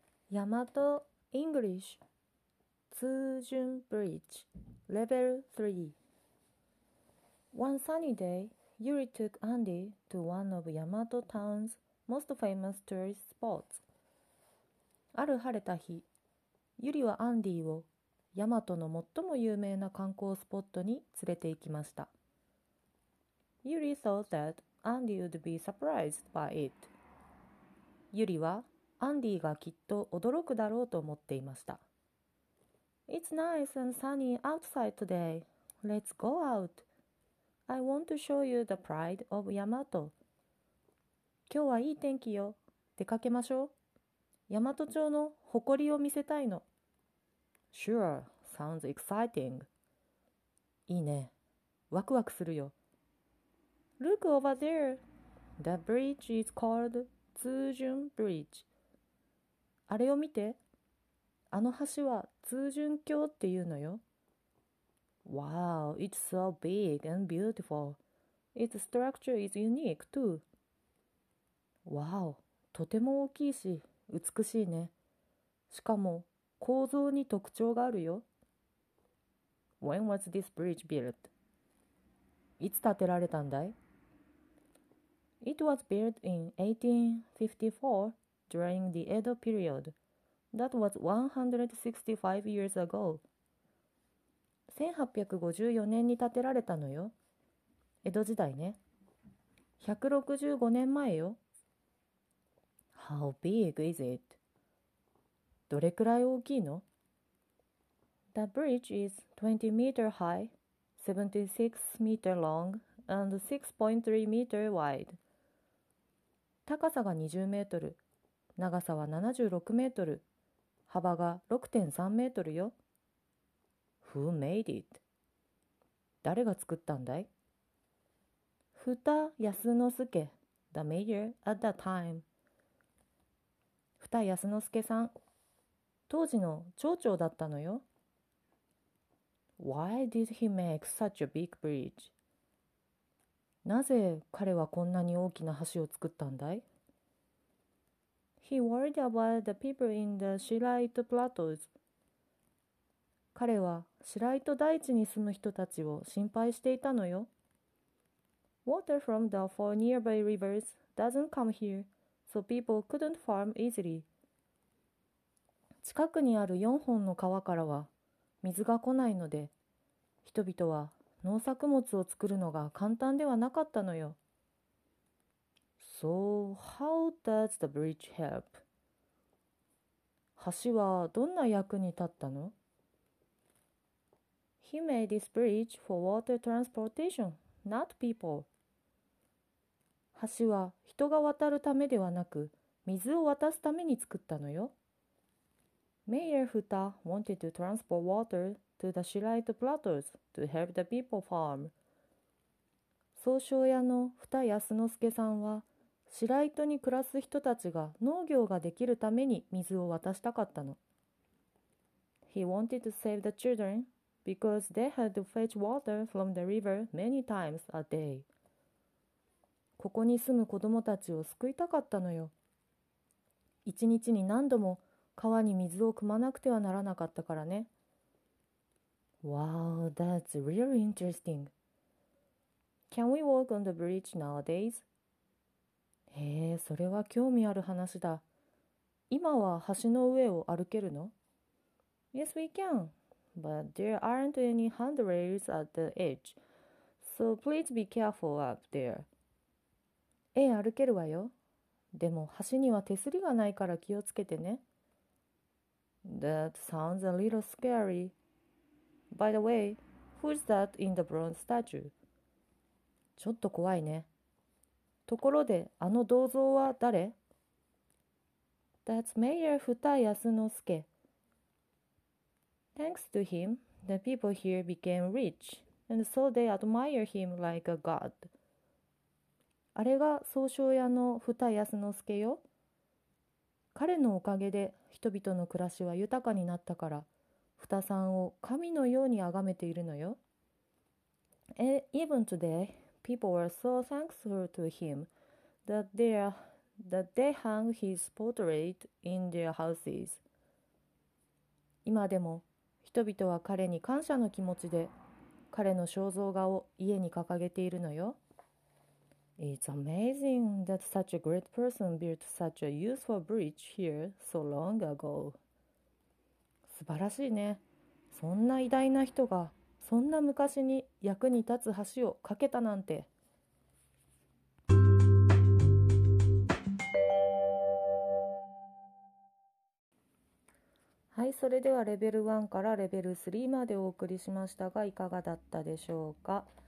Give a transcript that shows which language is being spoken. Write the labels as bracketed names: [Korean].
[English] ヤマト・イングリッシュ・ツージュン・ブリッジ・レベル3 One sunny day, Yuri took Andy to one of Yamato Town's most famous tourist spots. [Japanese] ある晴れた日、ユリはアンディをヤマトの最も有名な観光スポットに連れて行きました。 [English] ユリ thought that Andy would be surprised by it. [Japanese] ユリはアンディがきっと驚くだろうと思っていました。 [English] It's nice and sunny outside today. Let's go out. I want to show you the pride of Yamato. [Japanese] 今日はいい天気よ。出かけましょう。ヤマト町の誇りを見せたいの。 [English] Sure, sounds exciting. [Japanese] いいね。ワクワクするよ。 [English] Look over there. The bridge is called [Japanese] 通潤ブリッジ。あれを見て。あの橋は通潤橋っていうのよ。 [English] Wow, it's so big and beautiful. Its structure is unique too. [Japanese] Wow, とても大きいし、美しいね。しかも、構造に特徴があるよ。 [English] When was this bridge built? [Japanese] いつ建てられたんだい? [English] It was built in 1854 during the Edo period. That was 165 years ago. [Japanese] 1854年に建てられたのよ。江戸時代ね。 165年前よ。 [English] How big is it? [Japanese] どれくらい大きいの? [English] The bridge is 20 meter high, 76 meter long, and 6.3 meter wide. [Japanese] 高さが20メートル、長さは76メートル、幅が 6.3 メートルよ。 [English] Who made it? [Japanese] 誰が作ったんだい? [English] 二田康之助、the mayor at that time. [Japanese] 二田康之助さん。当時の町長だったのよ。 [English] Why did he make such a big bridge? [Japanese] なぜ彼はこんなに大きな橋を作ったんだい? [English] He worried about the people in the Shilaito Plateaus. [Japanese] 彼は Shilaito 大地に住む人たちを心配していたのよ。 [English] Water from the four nearby rivers doesn't come here, so people couldn't farm easily. [Japanese] 近くにある四本の川からは水が来ないので、人々は農作物を作るのが簡単ではなかったのよ。 [English] So, how does the bridge help? [Japanese] 橋はどんな役に立ったの? [English] He made this bridge for water transportation, not people. [Japanese] 橋は人が渡るためではなく、水を渡すために作ったのよ。 [English] Mayor Futa wanted to transport water to the Shilaito Plateaus to help the people farm. [Japanese] 総商屋の二田康之助さんは、シライトに暮らす人たちが農業ができるために水を渡したかったの。 [English] He wanted to save the children because they had to fetch water from the river many times a day. [Japanese] ここに住む子供たちを救いたかったのよ。一日に何度も川に水を汲まなくてはならなかったからね。 [English] Wow, that's really interesting. Can we walk on the bridge nowadays? [Japanese] へえ、それは興味ある話だ。今は橋の上を歩けるの? [English] Yes, we can. But there aren't any handrails at the edge. So please be careful up there. [Japanese] ええ、歩けるわよ。でも橋には手すりがないから気をつけてね。 [English] That sounds a little scary. By the way, who's that in the bronze statue? [Japanese] ちょっと怖いね。ところで、あの銅像は誰? [English] That's Mayor Futa Yasunosuke. Thanks to him, the people here became rich, and so they admire him like a god. [Japanese] あれが総商屋の Futa Yasunosuke よ。彼のおかげで人々の暮らしは豊かになったから、フタさんを神のように崇めているのよ。 [English] Even today, people are so thankful to him that they hang his portrait in their houses. [Japanese] 今でも人々は彼に感謝の気持ちで彼の肖像画を家に掲げているのよ。 [English] It's amazing that such a great person built such a useful bridge here so long ago. [Japanese] 素晴らしいね。そんな偉大な人がそんな昔に役に立つ橋を架けたなんて。はい、それではレベル1からレベル3までお送りしましたが、いかがだったでしょうか。